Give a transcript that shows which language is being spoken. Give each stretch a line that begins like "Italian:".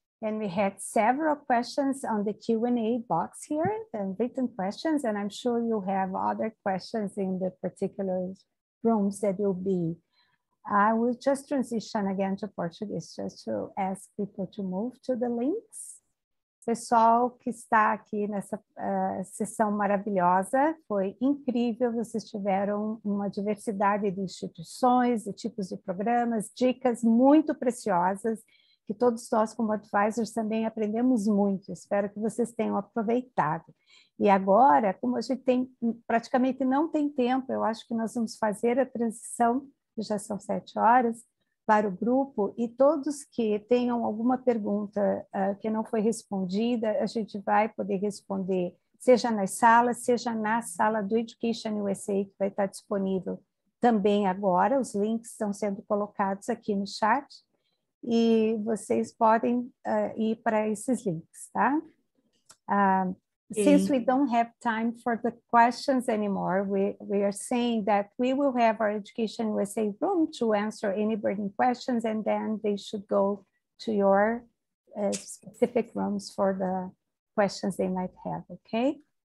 English: And we had several questions on the Q&A box here, the written questions. And I'm sure you have other questions in the particular rooms that you'll be. I will just transition again to Portuguese just to ask people to move to the links.
Portuguese: Pessoal que está aqui nessa sessão maravilhosa, foi incrível, vocês tiveram uma diversidade de instituições, de tipos de programas, dicas muito preciosas, que todos nós como advisors também aprendemos muito, espero que vocês tenham aproveitado. E agora, como a gente tem, praticamente não tem tempo, eu acho que nós vamos fazer a transição, já são 7 horas, para o grupo, e todos que tenham alguma pergunta que não foi respondida, a gente vai poder responder, seja nas salas, seja na sala do EducationUSA, que vai estar disponível também agora, os links estão sendo colocados aqui no chat, e vocês podem ir para esses links, tá?
English: Since we don't have time for the questions anymore, we are saying that we will have our EducationUSA room to answer any burning questions, and then they should go to your specific rooms for the questions they might have, okay?